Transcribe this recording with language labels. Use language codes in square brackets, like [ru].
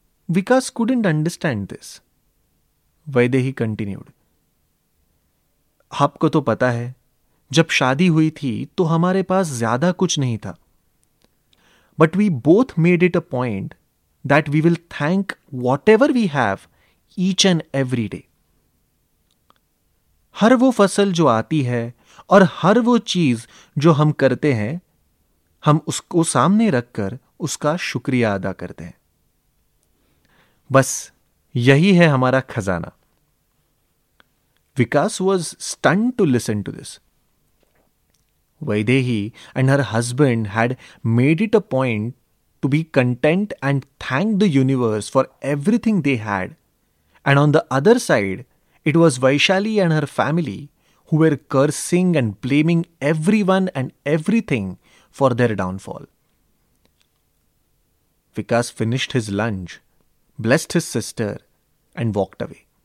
[hi] Vikas couldn't understand this. Vaidehi continued. [en] Aapko to pata hai, jab shaadi hui thi, to humare paas zyada kuch nahi tha. But we both made it a point that we will thank whatever we have each and every day. [hi] हर वो फसल जो आती है और हर वो चीज जो हम करते हैं, हम उसको सामने रखकर उसका शुक्रिया अदा करते हैं. बस यही है हमारा खजाना. [en] Vikas was stunned to listen to this. Vaidehi and her husband had made it a point to be content and thank the universe for everything they had. And on the other side, it was Vaishali and her family who were cursing and blaming everyone and everything for their downfall. Vikas finished his lunch, blessed his sister, and walked away.